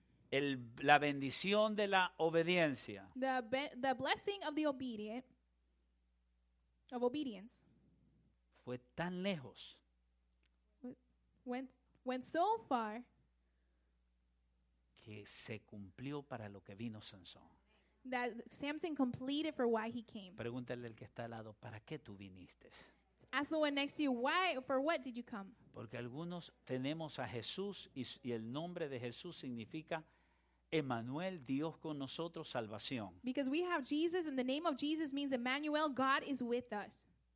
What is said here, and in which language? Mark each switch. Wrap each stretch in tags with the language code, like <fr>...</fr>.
<es>La bendición de la obediencia.</es> <en>The blessing of the obedient. Of obedience.</en> <es>Fue tan lejos.</es> <en>Went so far.</en> <es>Que se cumplió para lo que vino Sansón.</es> <en>That Samson completed for why he came.</en> <es>Pregúntale al que está al lado, ¿para qué tú viniste?</es> <en>Ask the one next to you, why, for what did you come?</en> <es>Porque algunos tenemos a Jesús y el nombre de Jesús significa Emmanuel, Dios con nosotros, salvación.</es> <en>Because we have Jesus and the name of Jesus means Emmanuel, God is with us.</en>